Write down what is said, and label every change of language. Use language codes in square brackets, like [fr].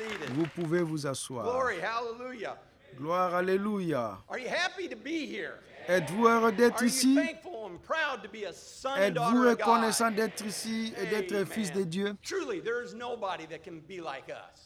[fr] Vous pouvez vous asseoir. [en] Glory, hallelujah. [fr] Gloire, alléluia. [en] Are you happy to be here? [fr] Êtes-vous heureux d'être [en] Are [fr] ici? [en] You thankful and proud to be a son and [fr] êtes-vous reconnaissant d'être ici et d'être [en] Amen. [fr] Fils de Dieu? [en] Truly, there is nobody that can be like us.